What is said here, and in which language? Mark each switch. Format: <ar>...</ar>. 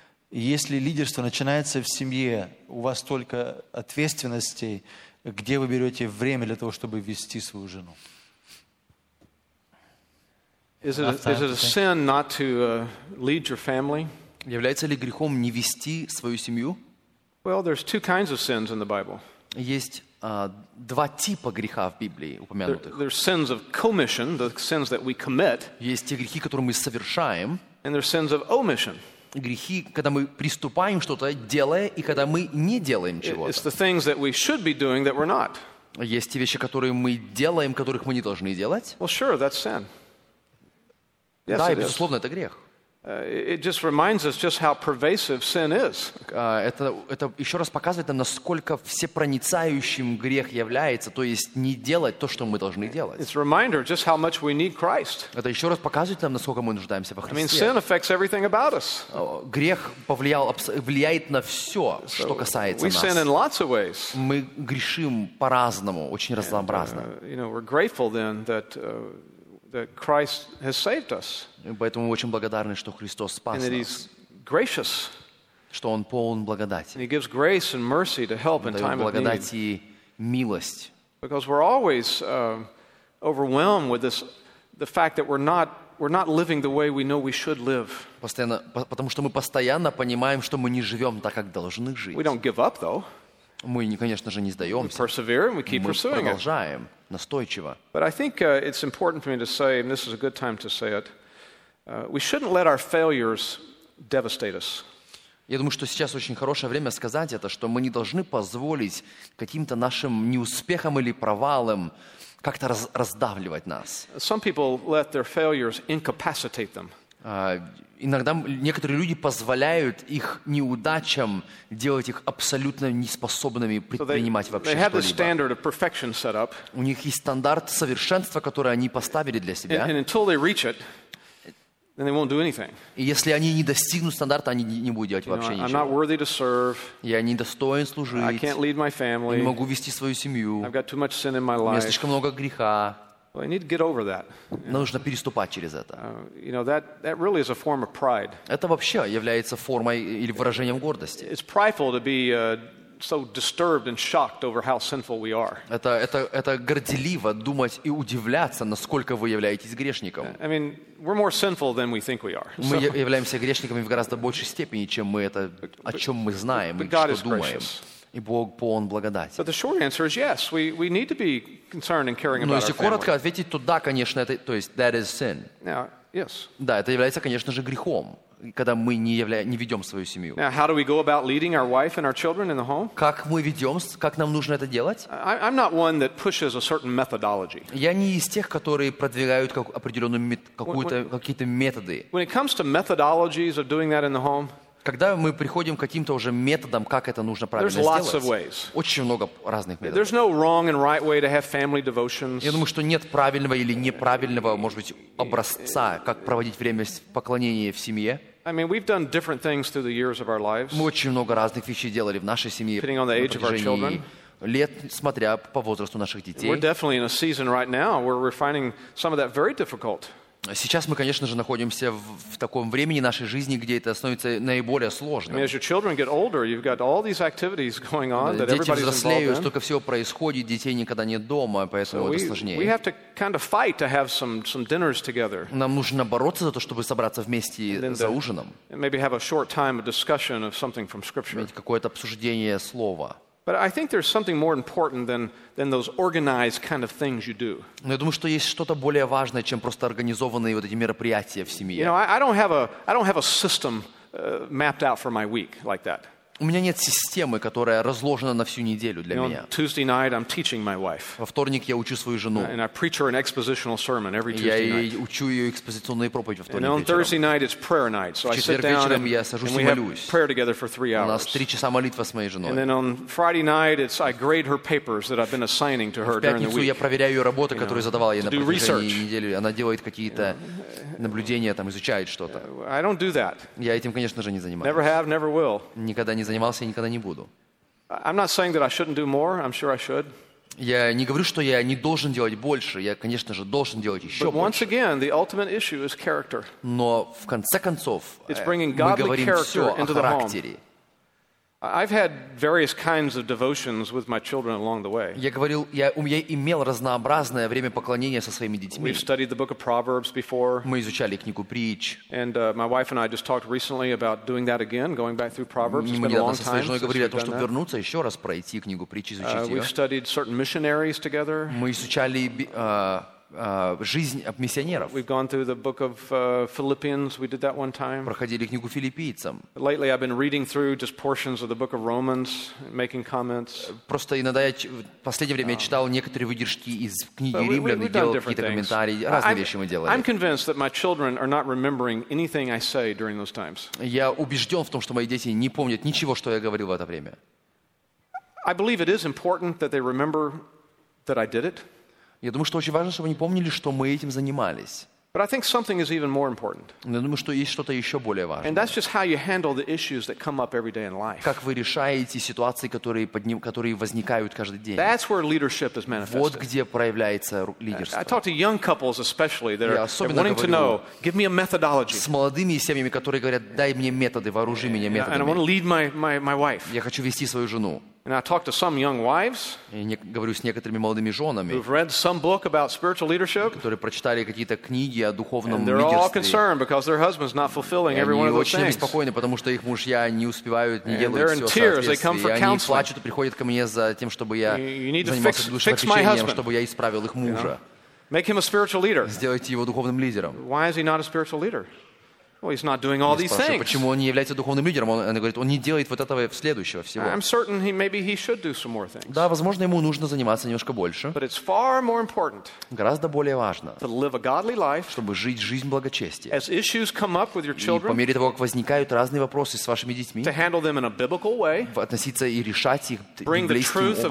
<ru>Если лидерство начинается в семье, у вас столько ответственностей, где вы берете время для того, чтобы вести свою жену? Является ли грехом не вести свою семью?</ru> <en>Well, there's two kinds of sins in the Bible.</en> <ru>Есть два типа греха в Библии упомянутых.</ru> <en>There's sins of commission, the sins that we commit.</en> <ru>Есть те грехи, которые мы совершаем.</ru> <en>And there's sins of omission.</en> <ru>Грехи, когда мы приступаем что-то, делая, и когда мы не делаем чего-то.</ru> <en>It's the things that we should be doing that we're not.</en> <ru>Есть те вещи, которые мы делаем, которых мы не должны делать.</ru> <en>Well, sure, that's sin. Yes,</en> <ru>да, и безусловно, это грех.</ru> <en>It just reminds us just how pervasive sin is.</en> <ru>Это еще раз показывает нам, насколько всепроницающим грех является, то есть не делать то, что мы должны делать.</ru> <en>It's a reminder just how much we need Christ.</en> <ru>Это еще раз показывает нам, насколько мы нуждаемся во Христе.</ru> <en>I mean, sin affects everything about us.</en> <ru>Грех влияет на все, что касается нас.</ru> <en>We sin in lots of ways.</en> <ru>Мы грешим по-разному, очень разнообразно.</ru> <en>You know, we're grateful then that that Christ has saved us.</en> <ru>Поэтому мы очень благодарны, что Христос спас нас.</ru> <en>And He's gracious.</en> <ru>Что Он полон благодати.</ru> <en>And He gives grace and mercy to help in time of need.</en> <ru>Благодать и милость.</ru> <en>Because we're always overwhelmed with this, the fact that we're not living the way we know we should live.</en> <ru>Потому что мы постоянно понимаем, что мы не живем так, как должны жить.</ru> <en>We don't give up, though.</en> <ru>Мы, конечно же, не сдаемся.</ru> <en>We persevere and we keep pursuing.</en> <ru>Мы продолжаем настойчиво.</ru> <en>But I think it's important for me to say, and this is a good time to say it. We shouldn't let our failures devastate us.</en> <ru>Я думаю, что сейчас очень хорошее время сказать это, что мы не должны позволить каким-то нашим неуспехам или провалам как-то раздавливать нас.</ru> <en>Some people let their failures incapacitate them.</en> <ru>Иногда некоторые люди позволяют их неудачам делать их абсолютно неспособными предпринимать вообще что-либо. У них есть стандарт совершенства, который они поставили для себя.</ru> <en>And until they reach it, then they won't do anything.</en> <ru>И если они не достигнут стандарта, они не будут делать вообще ничего.</ru> <en>I'm not worthy to serve.</en> <ru>Я не достоин служить.</ru> <en>I can't lead my family.</en> <ru>Я не могу вести свою семью.</ru> <en>I've got too much sin in my life.</en> <ru>У меня слишком много греха.</ru> <en>Well, I need to get over that.</en> <ru>Нужно переступать через это.</ru> <en>You know, that really is a form of pride.</en> <ru>Это вообще является формой или выражением гордости.</ru> <en>It's prideful to be so disturbed and shocked over how sinful we are.</en> <ru>Это горделиво думать и удивляться, насколько вы являетесь грешником.</ru> <en>I mean, we're more sinful than we think we are.</en> <ru>Мы являемся грешниками в гораздо большей степени, чем мы это, о чем мы знаем и что думаем. И Бог полон благодати.</ru> <en>But the short answer is yes. We need to be concerned and caring about our family.</en> <ru>Но если коротко ответить, то да, конечно, это, то есть</ru> <en>that is sin. Now, yes.</en> <ru>Да, это является, конечно же, грехом, когда мы не ведем свою семью.</ru> <en>Now, how do we go about leading our wife and our children in the home?</en> <ru>Как мы ведем, как нам нужно это делать?</ru> <en>I'm not one that pushes a certain methodology.</en> <ru>Я не из тех, которые продвигают какие-то методы.</ru> <en>When it comes to methodologies of doing that in the home.</en> <ru>Когда мы приходим к каким-то уже методам, как это нужно правильно сделать, очень много разных методов.</ru> <en>No wrong and right way to have family devotions.</en> <ru>Я думаю, что нет правильного или неправильного, может быть, образца, как проводить время поклонения в семье.</ru> <en>I mean, we've done different things through the years of our lives.</en> <ru>Мы очень много разных вещей делали в нашей семье.</ru> <en>Depending on the age of our children.</en> <ru>лет, смотря по возрасту наших детей.</ru> <en>We're definitely in a season right now where we're finding some of that very difficult.</en> <ru>Сейчас мы, конечно же, находимся в таком времени нашей жизни, где это становится наиболее сложным.</ru> <en>As your children get older, you've got all these activities going on that everybody's involved in.</en> <ru>Дети взрослеют, столько всего происходит, детей никогда нет дома, поэтому это сложнее.</ru> <en>We have to kind of fight to have some dinners together.</en> <ru>Нам нужно бороться за то, чтобы собраться вместе за ужином.</ru> <en>Maybe have a short time of discussion of something from Scripture.</en> <ru>Иметь какое-то обсуждение слова.</ru> <en>But I think there's something more important than those organized kind of things you do.</en> <ru>Я думаю, что есть что-то более важное, чем просто организованные вот эти мероприятия в семье.</ru> <en>You know, I don't have a system mapped out for my week like that.</en> <ru>У меня нет системы, которая разложена на всю неделю для меня.</ru> <en>On Tuesday night I'm teaching my wife.</en> <ru>Во вторник я учу свою жену.</ru> <en>And I preach her an expositional sermon every Tuesday night.</en> <ru>Я ей учу ее экспозиционные проповеди во вторник.</ru> <en>And on Thursday night it's prayer night, so I sit down and we have prayer together for 3 hours.</en> <ru>У нас 3 часа молитва с моей женой.</ru> <en>And then on Friday night it's I grade her papers that I've been assigning to her during the week.</en> <ru>В пятницу я проверяю ее работы, которые задавал ей на протяжении недели. Она делает какие-то наблюдения, там изучает что-то.</ru> <en>I don't do that.</en> <ru>Я этим, конечно же, не занимаюсь.</ru> <en>Never have, never will.</en> <ru>Никогда не занимался и никогда не буду.</ru> <en>I'm not saying that I shouldn't do more. I'm sure I should.</en> <ru>Я не говорю, что я не должен делать больше. Я, конечно же, должен делать еще больше.</ru> <en>But once again, the ultimate issue is character.</en> <ru>Но в конце концов,</ru> <en>it's bringing godly character into the home. I've had various kinds of devotions with my children along the way.</en> <ru>Я имел разнообразное время поклонения со своими детьми.</ru> <en>We've studied the book of Proverbs before.</en> <ru>Мы изучали книгу Притч.</ru> <en>And my wife and I just talked recently about doing that again, going back through Proverbs. It's been a long time.</en> <ru>Мы с женой говорили о том, чтобы вернуться еще раз пройти книгу Притч, изучить ее.</ru> <en>We've studied certain missionaries together.</en> <ru>Мы изучали жизнь миссионеров.</ru> <en>We've gone through the book of Philippians. We did that one time.</en> <ru>Проходили книгу Филиппийцам.</ru> <en>Lately, I've been reading through just portions of the book of Romans, making comments.</en> <ru>Просто иногда я в последнее время читал некоторые выдержки из книги Римлян и делал какие-то комментарии. Разные вещи мы делали.</ru> <en>I'm convinced that my children are not remembering anything I say during those times.</en> <ru>Я убежден в том, что мои дети не помнят ничего, что я говорил в это время.</ru> <en>I believe it is important that they remember that I did it.</en> <ru>Я думаю, что очень важно, чтобы они помнили, что мы этим занимались.</ru> <en>But I think something is even more important.</en> <ru>Но я думаю, что есть что-то еще более важное.</ru> <en>And that's just how you handle the issues that come up every day in life.</en> <ru>Как вы решаете ситуации, которые возникают каждый день.</ru> <en>That's where leadership is manifested.</en> <ru>Вот где проявляется лидерство.</ru> <en>I talk to young couples especially that are wanting to know, give me a methodology.</en> <ru>С молодыми семьями, которые говорят, дай мне методы, вооружи меня методами.</ru> <en>And I want to lead my wife.</en> <ru>Я хочу вести свою жену.</ru> <en>And I talk to some young wives.</en> <ru>Я говорю с некоторыми молодыми женами.</ru> <en>Who've read some book about spiritual leadership?</en> <ru>Которые прочитали какие-то книги о духовном лидерстве.</ru> <en>They're all concerned because their husband's not fulfilling every one of those things.</en> <ru>Они очень беспокоены, потому что их мужья не успевают, не делают всё соответствующее.</ru> <en>They're in tears.</en> <ru>Они плачут и приходят ко мне за тем, чтобы я занимался душепопечением, чтобы я исправил их мужа.</ru> <en>Make him a spiritual leader.</en> <ru>Сделайте его духовным лидером.</ru> <en>Why is he not a spiritual leader? Well, he's not doing all these things.</en> <ru>Почему он не является духовным лидером? Она говорит, он не делает вот этого следующего всего.</ru> <en>I'm certain maybe he should do some more things.</en> <ru>Да, возможно, ему нужно заниматься немножко больше.</ru> <en>But it's far more important.</en> <ru>Гораздо более важно.</ru> <en>To live a godly life.</en> <ru>Чтобы жить жизнь благочестия.</ru> <en>As issues come up with your children.</en> <ru>И по мере того, как возникают разные вопросы с вашими детьми.</ru> <en>To handle them in a biblical way.</en> <ru>Относиться и решать их библейским образом.</ru>